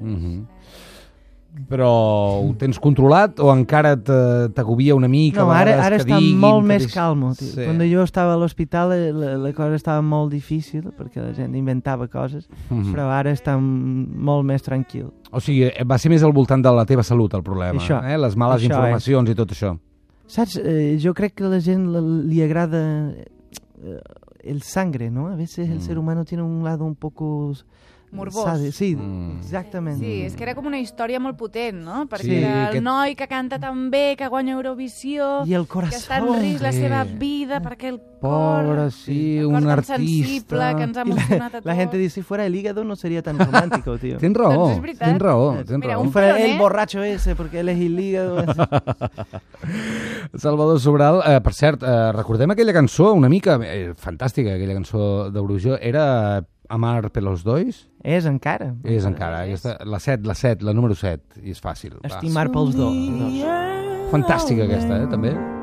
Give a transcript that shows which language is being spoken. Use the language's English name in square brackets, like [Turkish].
[Catalan] Uh-huh. Però ho tens controlat o encara t'agobia una mica? No, ara està molt més calmo. Sí. Quan jo estava a l'hospital la cosa estava molt difícil perquè la gent inventava coses, mm-hmm. Però ara està molt més tranquil. O sigui, va ser més al voltant de la teva salut el problema, això, les males informacions i tot això. Saps, jo crec que a la gent li agrada el sangre, no? [Spanish] A veces el ser humano tiene un lado un poco... [Catalan] Morbós. Sí, exactament. Sí, és que era com una història molt potent, no? Perquè sí, el noi que canta tan bé, que guanya Eurovisió... [Spanish] I el corazón. [Catalan] Que està en risc la seva vida, perquè el pobre, cor... Pobre, sí, un artista. Un cor tan sensible, que ens ha emocionat a tots. La gent diu, [Spanish] si fuera el hígado no seria tan romàntico, tio. [Catalan] Tens raó, doncs tens raó. Tens mira, raó. [Spanish] Un fuera el borracho ese, porque él es el hígado. [Catalan] Salvador Sobral, per cert, recordem aquella cançó una mica, fantàstica, aquella cançó d'Eurovisió, era... [Portuguese] Amar pelos dois? [Catalan] És encara. És encara. Aquesta, la set, la número 7. I és fàcil. Estimar pels dos. Fantàstica aquesta, també.